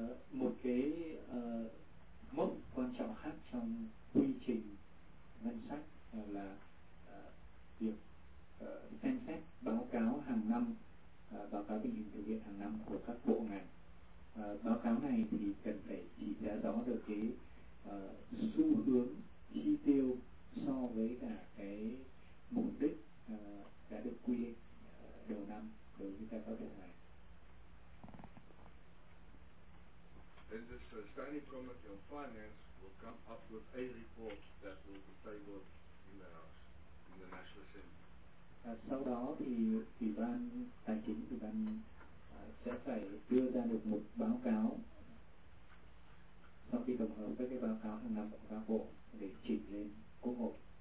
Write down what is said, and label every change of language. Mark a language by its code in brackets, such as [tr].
[vi] Một cái mốc quan trọng khác trong quy trình ngân sách là việc xem xét báo cáo hàng năm, báo cáo tình hình thực hiện hàng năm của các bộ ngành. Báo cáo này thì cần phải chỉ ra rõ được cái xu hướng chi tiêu so với cả cái mục đích đã được quy định đầu năm đối với các báo cáo này. [en] And the Standing Committee on Finance will come up with a report that will be tabled in the House, in the National Assembly. [vi] Sau đó thì ủy ban tài chính sẽ phải đưa ra được một báo cáo sau khi tổng hợp các cái báo cáo hàng năm của các bộ để chỉnh lên Quốc hội.